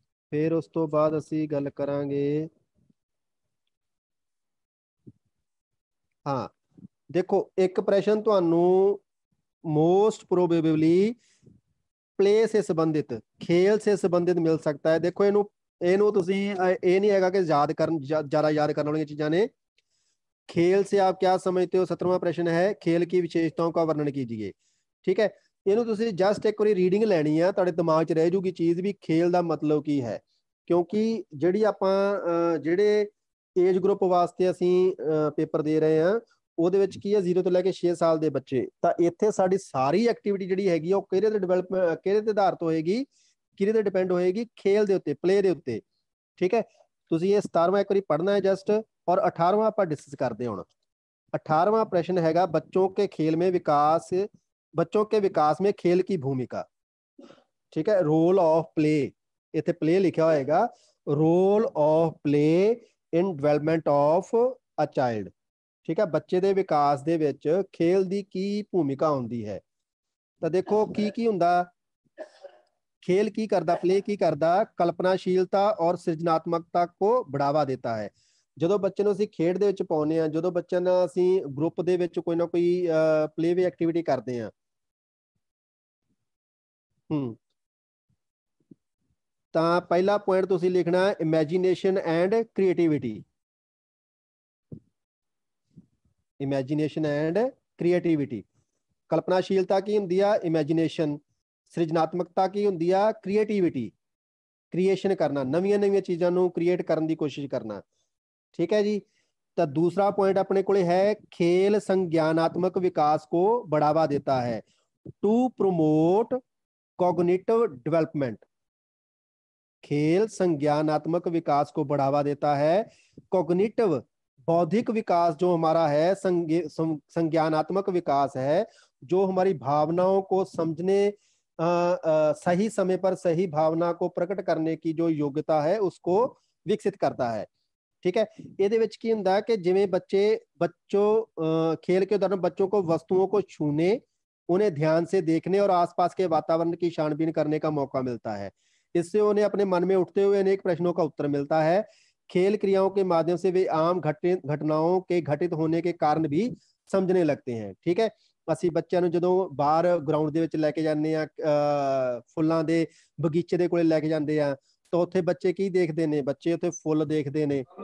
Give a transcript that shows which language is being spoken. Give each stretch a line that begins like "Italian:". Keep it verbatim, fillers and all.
Punjabi: ਫਿਰ ਉਸ ਤੋਂ ਬਾਅਦ ਅਸੀਂ ਗੱਲ ਕਰਾਂਗੇ, ਹਾਂ ਦੇਖੋ ਇੱਕ ਪ੍ਰਸ਼ਨ ਤੁਹਾਨੂੰ
Hindi: मोस्ट प्रोबेबली प्ले से संबंधित, खेल से संबंधित मिल सकता है।
Punjabi: देखो ਇਹਨੂੰ ਇਹਨੂੰ ਤੁਸੀਂ ਅ, ਇਹ ਨਹੀਂ ਹੈਗਾ ਕਿ ਯਾਦ ਕਰਨ ਜ਼ਿਆਦਾ ਯਾਦ ਕਰਨ ਵਾਲੀਆਂ ਚੀਜ਼ਾਂ ਨੇ।
Hindi: खेल से आप क्या समझते हो, सत्रहवां प्रश्न है। खेल की विशेषताओं का वर्णन कीजिए।
Punjabi: ठीक है, ਇਹਨੂੰ ਤੁਸੀਂ ਜਸਟ ਇੱਕ ਵਾਰੀ ਰੀਡਿੰਗ ਲੈਣੀ ਆ, ਤੁਹਾਡੇ ਦਿਮਾਗ 'ਚ ਰਹਿ ਜੂਗੀ ਚੀਜ਼ ਵੀ ਖੇਲ ਦਾ ਮਤਲਬ ਕੀ ਹੈ। ਕਿਉਂਕਿ ਜਿਹੜੀ ਆਪਾਂ ਅ, ਜਿਹੜੇ ਏਜ ਗਰੁੱਪ ਵਾਸਤੇ ਅਸੀਂ ਪੇਪਰ ਦੇ ਰਹੇ ਆ ਉਹਦੇ ਵਿੱਚ ਕੀ ਹੈ ਜ਼ੀਰੋ ਤੋਂ ਲੈ ਕੇ ਛੇ ਸਾਲ ਦੇ ਬੱਚੇ, ਤਾਂ ਇੱਥੇ ਸਾਡੀ ਸਾਰੀ ਐਕਟੀਵਿਟੀ ਜਿਹੜੀ ਹੈਗੀ ਆ, ਉਹ ਕਿਹਦੇ ਤੇ ਡਿਵੈਲਪ ਕਿਹਦੇ ਤੇ ਆਧਾਰਿਤ ਹੋਏਗੀ, ਕਿਹਦੇ ਤੇ ਡਿਪੈਂਡ ਹੋਏਗੀ, ਖੇਲ ਦੇ ਉੱਤੇ, ਪਲੇ ਦੇ ਉੱਤੇ। ਠੀਕ ਹੈ, ਤੁਸੀਂ ਇਹ ਸਤਾਰਵਾਂ ਇੱਕ ਵਾਰੀ ਪੜ੍ਹਨਾ ਹੈ ਜਸਟ।
Hindi: और अठारहवां ਆਪਾਂ डिस्कस करते हैं। ਹੁਣ अठारहवां प्रश्न हैगा, बच्चों के खेल में विकास, बच्चों के विकास में खेल की भूमिका। ठीक है, रोल ऑफ प्ले,
Punjabi: इथे प्ले लिखा होएगा,
Hindi: role of play in development of a child.
Punjabi: ठीक है, बच्चे ਦੇ ਵਿਕਾਸ ਦੇ ਵਿੱਚ ਖੇਲ ਦੀ ਕੀ ਭੂਮਿਕਾ ਹੁੰਦੀ ਹੈ। ਤਾਂ ਦੇਖੋ ਕੀ ਕੀ ਹੁੰਦਾ,
Hindi: खेल की करदा, प्ले की करदा, कल्पनाशीलता और सृजनात्मकता को बढ़ावा देता है।
Punjabi: ਜਦੋਂ ਬੱਚੇ ਨੂੰ ਅਸੀਂ ਖੇਡ ਦੇ ਵਿੱਚ ਪਾਉਂਦੇ ਆ, ਜਦੋਂ ਬੱਚਿਆਂ ਨਾਲ ਅਸੀਂ ਗਰੁੱਪ ਦੇ ਵਿੱਚ ਕੋਈ ਨਾ ਕੋਈ ਪਲੇਵੇ ਐਕਟੀਵਿਟੀ ਕਰਦੇ ਆ, ਹੂੰ ਤਾਂ ਪਹਿਲਾ ਪੁਆਇੰਟ ਤੁਸੀਂ ਲਿਖਣਾ imagination and creativity. Imagination and creativity, ਕਲਪਨਾਸ਼ੀਲਤਾ ਕੀ ਹੁੰਦੀ ਆ, ਇਮੇਜਿਨੇਸ਼ਨ, ਸਿਰਜਣਾਤਮਕਤਾ ਕੀ ਹੁੰਦੀ ਆ, ਕ੍ਰੀਏਟੀਵਿਟੀ, ਕ੍ਰੀਏਸ਼ਨ ਕਰਨਾ, ਨਵੀਆਂ ਨਵੀਆਂ ਚੀਜ਼ਾਂ ਨੂੰ ਕ੍ਰੀਏਟ ਕਰਨ ਦੀ ਕੋਸ਼ਿਸ਼ ਕਰਨਾ। ਠੀਕ ਹੈ ਜੀ, ਤਾਂ ਦੂਸਰਾ ਪੁਆਇੰਟ ਆਪਣੇ ਕੋਲੇ ਹੈ ਖੇਲ ਸੰਗਿਆਨਾਤਮਕ ਵਿਕਾਸ
Hindi: को बढ़ावा देता है
Punjabi: टू प्रमोट कॉग्निटिव डेवलपमेंट।
Hindi: खेल संज्ञानात्मक विकास को बढ़ावा देता है, कॉग्निटिव बौद्धिक विकास जो हमारा है, संज्ञ- सं- संज्ञानात्मक विकास है, जो हमारी भावनाओं को समझने अ, अ, सही समय पर सही भावना को प्रकट करने की जो योग्यता है उसको विकसित करता है। ठीक है,
Punjabi: ਇਹਦੇ ਵਿੱਚ ਕੀ ਹੁੰਦਾ ਕਿ ਜਿਵੇਂ ਬੱਚੇ
Hindi: बच्चों अ, खेल के दौरान बच्चों को वस्तुओं को छूने, उन्हें ध्यान से देखने और आसपास के वातावरण की छानबीन करने का मौका मिलता है। इससे उन्हें अपने मन में उठते हुए अनेक प्रश्नों का उत्तर मिलता है। खेल क्रियाओं के माध्यम से वे आम घटित घटनाओं के घटित होने के कारण भी समझने लगते हैं।
Punjabi: ठीक है, ਅਸੀਂ ਬੱਚਿਆਂ ਨੂੰ ਜਦੋਂ ਬਾਹਰ ਗਰਾਊਂਡ ਦੇ ਵਿੱਚ ਲੈ ਕੇ ਜਾਂਦੇ ਆ, ਫੁੱਲਾਂ ਦੇ ਬਗੀਚੇ ਦੇ ਕੋਲੇ ਲੈ ਕੇ ਜਾਂਦੇ ਆ, ਤਾਂ ਉੱਥੇ ਬੱਚੇ ਕੀ ਦੇਖਦੇ ਨੇ, ਬੱਚੇ ਉੱਥੇ ਫੁੱਲ ਦੇਖਦੇ ਨੇ।